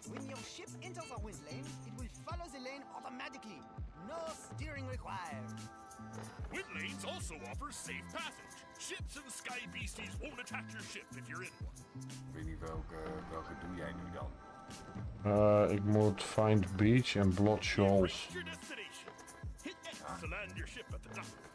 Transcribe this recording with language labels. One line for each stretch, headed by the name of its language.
English: When your ship enters a wind lane, it will follow the lane automatically. No steering required. Wind lanes also offer safe passage. Ships and sky beasties won't attack your ship if you're in one.
Dutch: Ik weet niet welke doe jij nu dan? Ik moet
English: find beach and blot shoals. Your destination. Hit X to land your ship at the dock.